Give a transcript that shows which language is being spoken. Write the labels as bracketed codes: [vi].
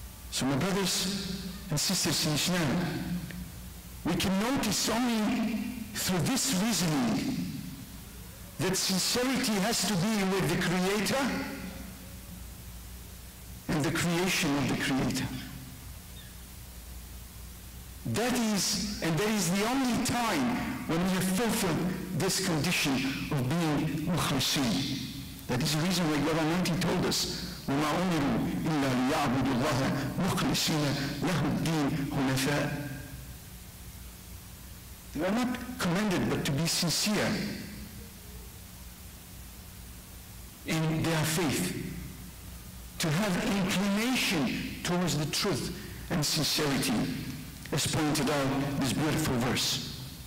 [en] So my brothers and sisters in Islam, we can notice only through this reasoning that sincerity has to be with the Creator and the creation of the Creator. That is, and that is the only time when we have fulfilled this condition of being mukhlasin. That is the reason why God Almighty told us, [ar] وما أمروا إلا ليعبدوا الله مخلصين له الدين حنفاء. [en] They are not commanded but to be sincere in their faith, to have inclination towards the truth and sincerity, as pointed out this beautiful verse.